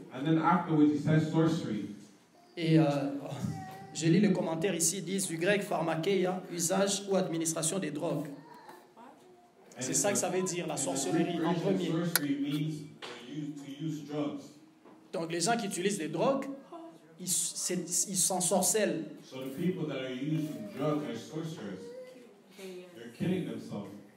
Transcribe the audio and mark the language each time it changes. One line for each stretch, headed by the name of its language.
English: And then afterwards, he says sorcery.
French: Et je lis le commentaire ici, ils disent du grec pharmakeia, usage ou administration des drogues.
English: And
French: c'est ça que ça veut dire, la sorcellerie, en premier.
English: Sorcery means to use drugs.
French: Donc les gens qui utilisent des drogues, ils s'ensorcellent.
English: So the people that are using drugs are sorcerers. They're killing themselves.